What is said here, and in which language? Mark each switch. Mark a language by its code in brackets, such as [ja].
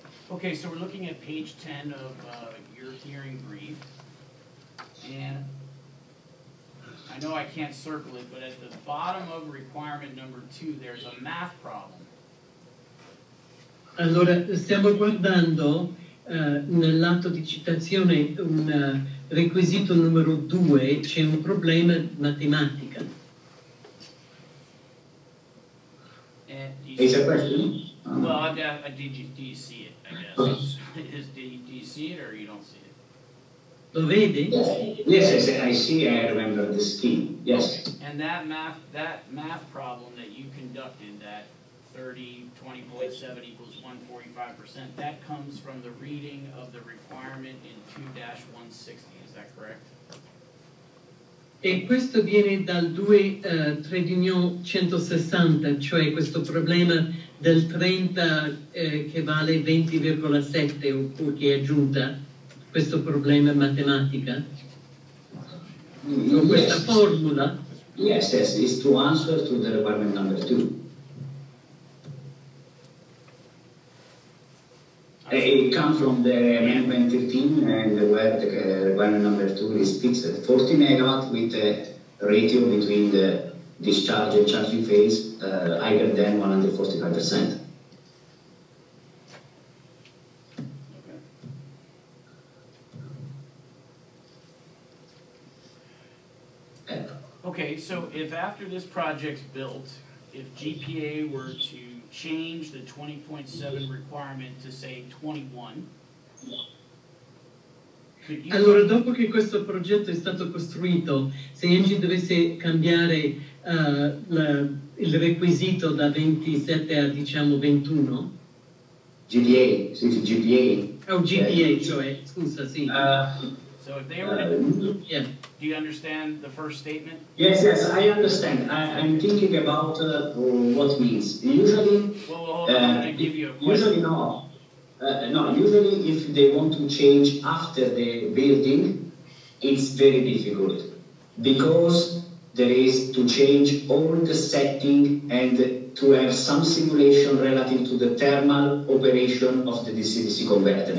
[en] Okay, so we're looking at page 10 of your hearing brief, and I know I can't circle it, but at the bottom of requirement number 2, there's a math problem. [it] Allora, stiamo guardando nell'atto di citazione un requisito numero 2, c'è un problema matematica. [en] Is that question? Well, do you see it? Do you see it or you don't see it? [it] Lo vedi? [en] Yes, I see. I remember the scheme. Yes. And that math problem that you conducted, that 30.20.7 equals 145%, that comes from the reading of the requirement in 2-160. Is that correct? [it] E questo viene dal 2-160, cioè questo problema del 30 che vale 20,7, oppure che è aggiunta, questo problema matematica, con questa formula. [en] Yes, it's to answer to the requirement number 2. It comes from the amendment 13 and where the requirement number 2 is fixed at 40 megawatt with a ratio between the discharge and charging phase higher than 145%. Okay, so if after this project's built, if GPA were to change the 20.7 requirement to say 21, [it] Allora, dopo che questo progetto è stato costruito, se Angie dovesse cambiare il requisito da 27 a, diciamo, 21? GPA, sì, GPA. Oh, GPA, cioè, scusa, sì. [en] So if they were do you understand the first statement? Yes, yes, I understand. I'm thinking about what means. Usually, usually if they want to change after the building, it's very difficult because there is to change all the setting and to have some simulation relative to the thermal operation of the DC-DC converter.